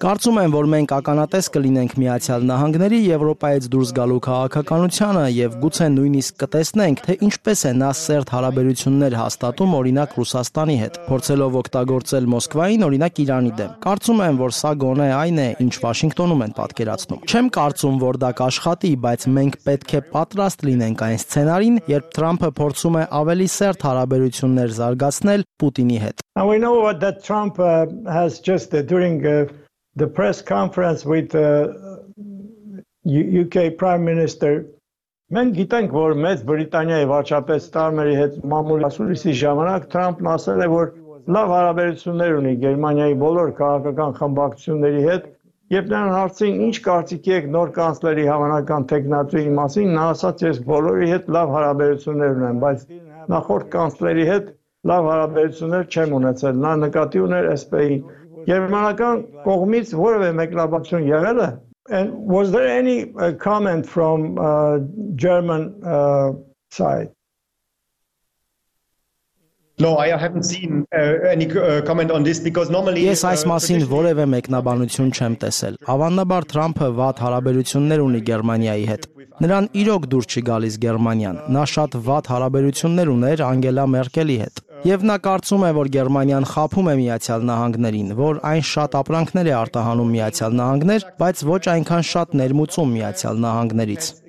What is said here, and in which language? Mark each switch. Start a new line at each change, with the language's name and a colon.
Armenian: Կարծում եմ, որ մենք ականատես կլինենք Միացյալ Նահանգների Եվրոպայից դուրս գալու քաղաքականությանը եւ գուցե նույն իսկ կտեսնենք, թե ինչպես է նա սերտ հարաբերություններ հաստատում օրինակ Ռուսաստանի հետ, փորձելով օգտագործել Մոսկվային օրինակ Իրանի դեմ։ Կարծում եմ, որ սա գոնե այն է, ինչ Վաշինգտոնում են պատկերացնում։ Չեմ կարծում, որ դա կաշխատի, բայց մենք պետք է պատրաստ լինենք այն սցենարին, երբ Թրամփը փորձում է ավելի սերտ հարաբերություններ զարգացնել Պուտինի հետ։
English: We know what that Trump has just during the press conference with the UK Prime Minister.
Armenian: Մենք գիտենք, որ Մեծ Բրիտանիայի վարչապետ Ստարմերի հետ մամուլի ասուլիսի ժամանակ Թրամփն ասել է, որ լավ հարաբերություններ ունի Գերմանիայի բոլոր քաղաքական խմբակցությունների հետ, եւ նրան հարցին, ինչ կարծիքի եք նոր կանսլերի հավանական տեխնատուի մասին, նա ասաց, ես բոլորի հետ լավ հարաբերություններ ունեմ, բայց նախորդ կանսլերի հետ լավ հարաբերություններ չեմ ունեցել, նա նկատի ուներ ՍՊ-ի Գերմանական կողմից որևէ մեկնաբանություն եղել է։
English: And was there any comment from German side? No, I haven't seen any comment on this because normally
Armenian: Yes, այս մասին որևէ մեկնաբանություն չեմ տեսել։ Հավանաբար Թրամփը վատ հարաբերություններ ունի Գերմանիայի հետ։ Նրան իրոք դուր չի գալիս Գերմանիան։ Նա շատ վատ հարաբերություններ ուներ Անգելա Մերկելի հետ։ Եվ նա կարծում է, որ Գերմանիան խափում է Միացյալ Նահանգներին, որ այն շատ ապրանքներ է արտահանում Միացյալ Նահանգներ, բայց ոչ այնքան շատ ներմուծում Միացյալ Նահանգներից,